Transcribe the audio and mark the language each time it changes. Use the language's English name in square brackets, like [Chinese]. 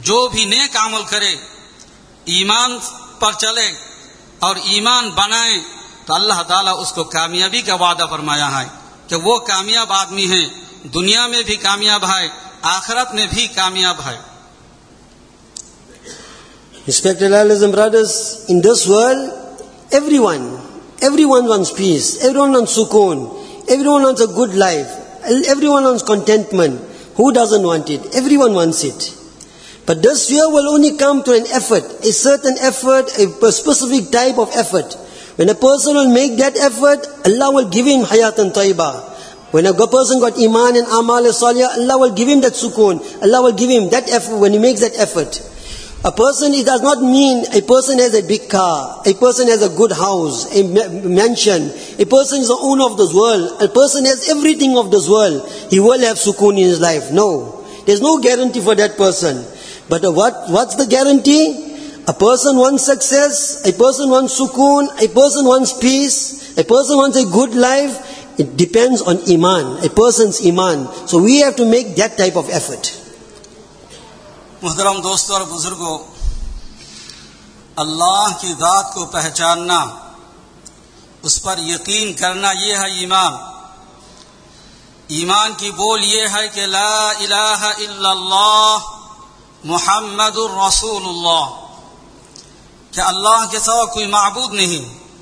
[Urdu] جو بھی نیک عمل کرے، ایمان پر چلے اور ایمان بنائے تو اللہ تعالیٰ اس کو کامیابی کا وعدہ فرمایا ہے کہ وہ کامیاب آدمی ہے، دنیا میں بھی کامیاب ہے، آخرت میں بھی کامیاب ہے. [English] Respected elders and brothers, in this world, everyone wants peace, everyone wants sukoon, everyone wants a good life, everyone wants contentment. Who doesn't want it? Everyone wants it. But this fear will only come to an effort, a certain effort, a specific type of effort. When a person will make that effort, Allah will give him hayatan tayyibah. When a good person got iman and amal and salih, Allah will give him that sukoon. Allah will give him that effort when he makes that effort. A person, it does not mean a person has a big car, a person has a good house, a mansion, a person is the owner of this world, a person has everything of this world, he will have sukoon in his life. No, there's no guarantee for that person. But what's the guarantee? A person wants success, a person wants sukoon, a person wants peace, a person wants a good life. It depends on iman, a person's iman. So we have to make that type of effort. [Urdu] محترم دوستو اور بزرگو، اللہ کی ذات کو پہچاننا، اس پر یقین کرنا، یہ ہے ایمان. ایمان کی بول یہ ہے کہ [Arabic] لا الہ الا اللہ محمد رسول اللہ، [Urdu] کہ اللہ کے سوا کوئی معبود نہیں.